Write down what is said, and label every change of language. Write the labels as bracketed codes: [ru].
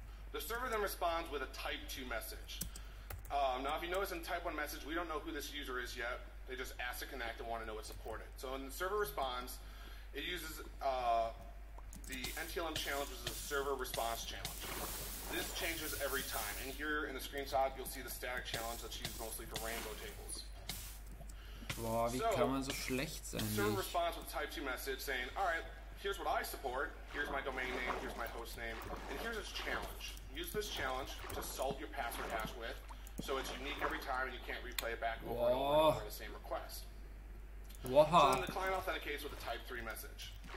[en] The server then responds with a Type 2 message. Now, if you notice in Type 1 message, we don't know who this user is yet. They just ask to connect and want to know what's supported. So when the server responds, it uses the NTLM challenge, which is a server response challenge. This changes every time. And here in the screenshot, you'll see the static challenge that's used mostly for rainbow tables. [de] Boah, wie so, kann man so schlecht sein? [en] Server responds with a Type 2 message saying, alright, here's what I support, here's my domain name, here's my host name, and here's its challenge. Use this challenge to salt your password hash with, so it's unique every time and you can't replay it back over and over the same request. Whoa. So then the client authenticates with a Type 3 message.